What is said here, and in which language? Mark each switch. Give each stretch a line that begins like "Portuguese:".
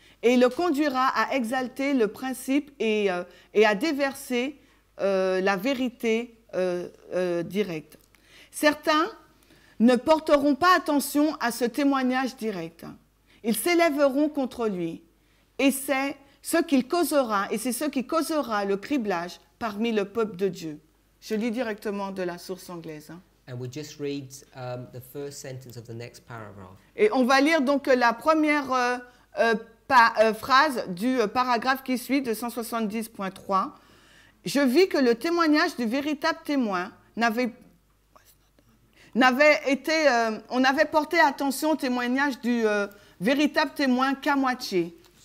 French: Et il le conduira à exalter le principe et à déverser la vérité directe. Certains ne porteront pas attention à ce témoignage direct. Ils s'élèveront contre lui. Et c'est ce qu'il causera, et c'est ce qui causera le criblage parmi le peuple de Dieu. Je lis directement de la source anglaise.
English: And we'll just read the first sentence of the next paragraph.
French: Et on va lire donc la première phrase du paragraphe qui suit, 270.3. Je vis que le témoignage du véritable témoin on avait porté attention au témoignage du véritable témoin qu'à moitié.